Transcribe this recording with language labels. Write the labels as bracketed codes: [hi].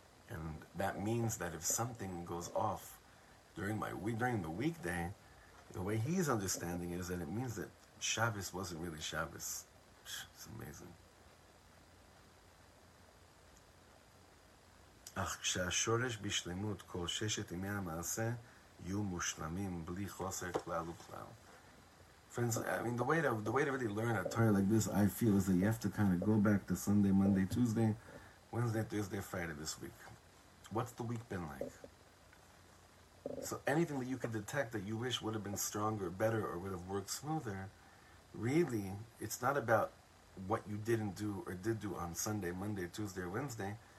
[en] And that means that if something goes off during the weekday, the way he's understanding it is that it means that Shabbos wasn't really Shabbos. It's amazing. [he] אך כשהשורש בשלמות כל ששת ימי המעשה יהיו מושלמים בלי חוסר כלל וכלל. [en] Friends, I mean, the way to really learn a Torah like this, I feel, is that you have to kind of go back to Sunday, Monday, Tuesday, Wednesday, Thursday, Friday this week. What's the week been like? So anything that you could detect that you wish would have been stronger, better, or would have worked smoother, really, it's not about what you didn't do or did do on Sunday, Monday, Tuesday, or Wednesday.